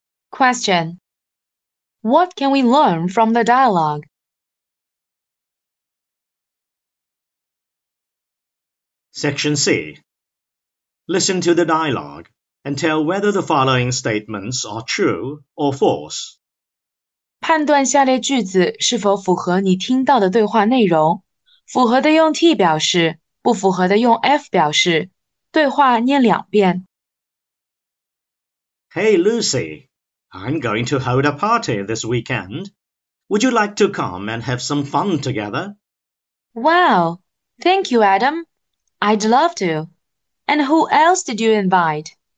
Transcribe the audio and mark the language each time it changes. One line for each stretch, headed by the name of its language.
English: Question. What can we learn from the dialogue? Section C. Listen to the dialogue and tell whether the following statements are true or false.
Chinese: 判断下列句子是否符合你听到的对话内容。符合的用 T 表示，不符合的用 F 表示。对话念两遍。
English: Hey Lucy, I'm going to hold a party this weekend. Would you like to come and have some fun together? Wow, thank you, Adam. I'd love to. And who else did you invite?